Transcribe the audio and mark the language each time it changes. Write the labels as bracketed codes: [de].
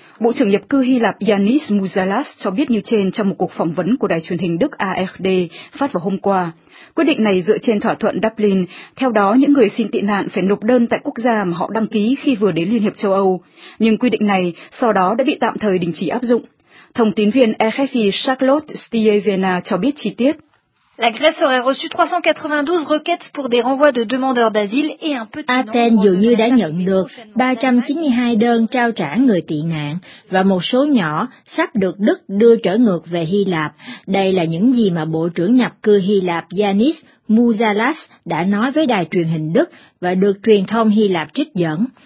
[vi] Bộ trưởng nhập cư Hy Lạp Yanis Mouzalas cho biết như trên trong một cuộc phỏng vấn của đài truyền hình Đức AFD phát vào hôm qua. Quyết định này dựa trên thỏa thuận Dublin, theo đó những người xin tị nạn phải nộp đơn tại quốc gia mà họ đăng ký khi vừa đến Liên hiệp châu Âu. Nhưng quy định này sau đó đã bị tạm thời đình chỉ áp dụng. Thông tín viên RFI Charlotte Stievena cho biết chi tiết. [fr] La Grèce aurait reçu 392 requêtes pour des renvois de demandeurs d'asile et un petit nombre. [vi] Athens dường như đã nhận được 392 đơn trao trả người tị nạn và một số nhỏ sắp được Đức đưa trở ngược về Hy Lạp. Đây là những gì mà Bộ trưởng nhập cư Hy Lạp Yanis Mouzalas đã nói với đài truyền hình Đức và được truyền thông Hy Lạp trích dẫn.